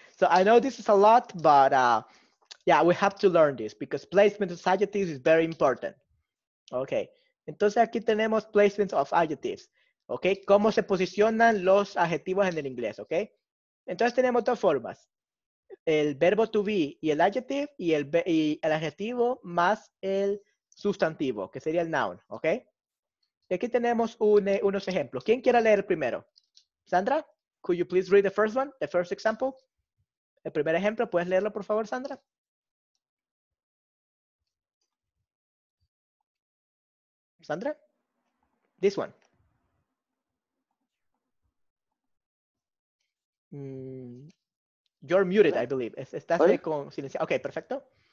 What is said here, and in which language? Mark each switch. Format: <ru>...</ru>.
<en>So I know this is a lot, but yeah, we have to learn this because placement of adjectives is very important.</en> <es>Okay. Entonces aquí tenemos</es> <en>placements of adjectives.</en> <es>Okay. ¿Cómo se posicionan los adjetivos en el inglés? Okay. Entonces tenemos dos formas. El verbo to be y el adjective y el adjetivo más el sustantivo, que sería el noun, ¿ok? Y aquí tenemos unos ejemplos. ¿Quién quiera leer el primero?</es> <en>Sandra, could you please read the first one, the first example?</en> <es>El primer ejemplo, ¿puedes leerlo, por favor, Sandra?</es> <en>Sandra, this one. You're muted, I believe.</en> <es>Estás ahí con silencio. Okay, perfecto.</es>